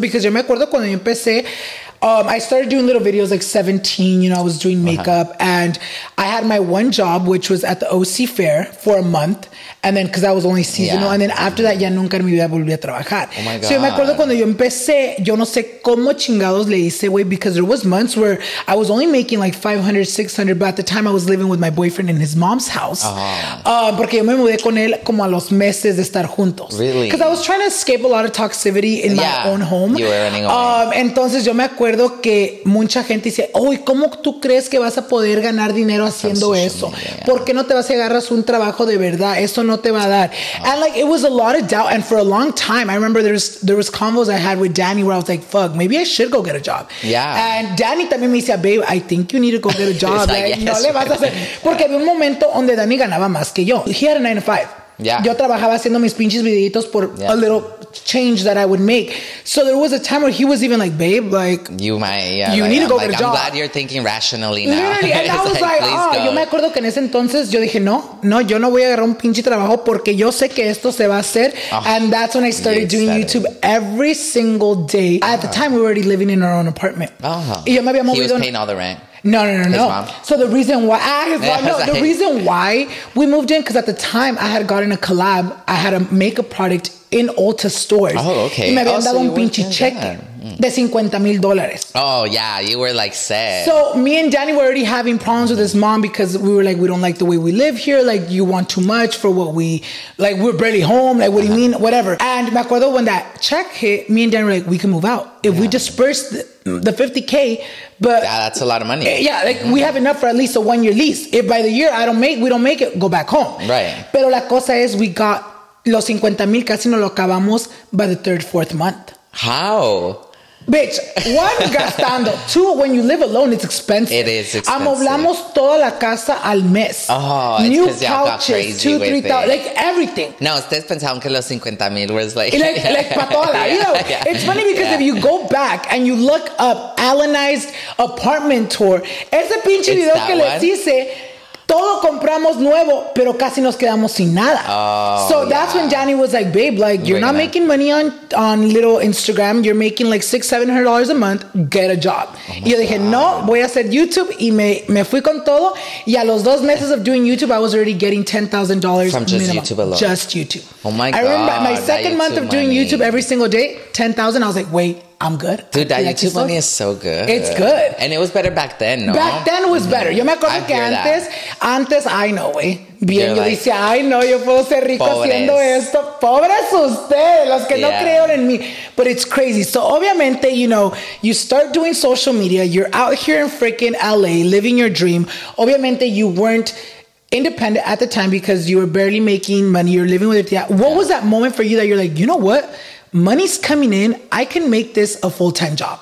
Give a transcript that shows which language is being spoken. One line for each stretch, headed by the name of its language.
English: Because
Spanish: yo me acuerdo cuando yo empecé,
English: I started doing little videos like 17, you know, I was doing makeup and I had my one job, which was at the OC Fair for a month. And then, because I was only seasonal. Yeah. And then after that,
Spanish: ya nunca en mi vida volví a trabajar.
English: Oh my God. So
Spanish: yo me acuerdo cuando yo empecé, yo no sé cómo chingados le hice, güey,
English: because there was months where I was only making like 500, 600, but at the time I was living with my boyfriend in his mom's house.
Spanish: Porque yo me mudé con él como a los meses de estar juntos.
English: Really? Because I was trying to escape a lot of toxicity in my own home. You were running away.
Spanish: Entonces yo me acuerdo que mucha gente dice, uy, ¿cómo tú crees que vas a poder ganar dinero haciendo eso? Media, ¿Por qué no te vas y agarras un trabajo de verdad? Eso no te va a dar.
English: And like, it was a lot of doubt. And for a long time, I remember there was convos I had with Danny where I was like, fuck, maybe I should go get a job. Yeah. And Danny
Spanish: también me decía,
English: babe, I think you need to go get a job. Like, yes,
Spanish: no le vas a hacer. Porque había un momento donde Danny ganaba más que yo.
English: He had a 9 to 5. Yeah.
Spanish: Yo trabajaba haciendo mis pinches videitos por
English: a little change that I would make. So there was a time where he was even like, babe, like, you might, you like, need I'm to go like, get a job. I'm glad you're thinking rationally now. Literally. And I was like,
Spanish: yo me acuerdo que en ese entonces yo dije, no, yo no voy a agarrar un pinche trabajo porque yo sé que esto se va a hacer.
English: And that's when I started doing YouTube every single day. At the time, we were already living in our own apartment. Uh-huh.
Spanish: Y yo me había movido.
English: He was paying all the rent. No. So the reason why, the reason why we moved in, because at the time I had gotten a collab, I had a makeup product in Ulta stores. Oh, okay.
Spanish: Y me habían dado un pinche cheque de $50,000.
English: Oh, yeah. You were like sad. So me and Danny were already having problems with his mom because we were like, we don't like the way we live here. Like, you want too much for what we, like, we're barely home. Like, what do you mean? Whatever. And
Spanish: me acuerdo
English: when that check hit, me and Danny were like, we can move out. If we disperse the $50,000, but yeah, that's a lot of money. Yeah, like we have enough for at least a 1 year lease. If by the year we don't make it, go back home. Right.
Spanish: Pero la cosa es,
English: we got
Spanish: los 50 mil casi no lo acabamos
English: by the third, fourth month. How? Bitch, one, gastando. Two, when you live alone, it's expensive. It is expensive.
Spanish: Amoblamos toda la casa al mes.
English: Oh, new it's because y'all couches, got crazy two, with 3,000, like everything.
Spanish: No, ustedes pensaban que los 50 mil
English: was like...
Spanish: like para toda la vida.
English: It's funny because if you go back and you look up Alanized apartment tour,
Spanish: ese pinche video que
English: one?
Spanish: Les hice... Todo compramos nuevo, pero casi nos quedamos sin nada.
English: Oh, so that's when Johnny was like, babe, like, you're not making money on little Instagram. You're making like $600-$700 a month. Get a job.
Spanish: Oh, y yo dije, no, voy a hacer YouTube. Y me fui con todo. Y a los dos meses
English: of doing YouTube, I was already getting $10,000 from just minimum. YouTube alone. Just YouTube. Oh my God. I remember my second month of doing YouTube every single day, $10,000. I was like, wait. I'm good. Dude, that YouTube money is so good. It's good. And it was better back then, no? Back then was better.
Spanish: Yo me acuerdo que antes,
English: I know, güey.
Spanish: Bien, yo dice,
English: I know,
Spanish: yo puedo ser rico haciendo esto. Pobres ustedes, los que no creyeron en mí.
English: But it's crazy. So obviamente, you know, you start doing social media. You're out here in freaking LA living your dream. Obviamente, you weren't independent at the time because you were barely making money. You're living with it. Yeah. What was that moment for you that you're like, you know what? Money's coming in. I can make this a full-time job.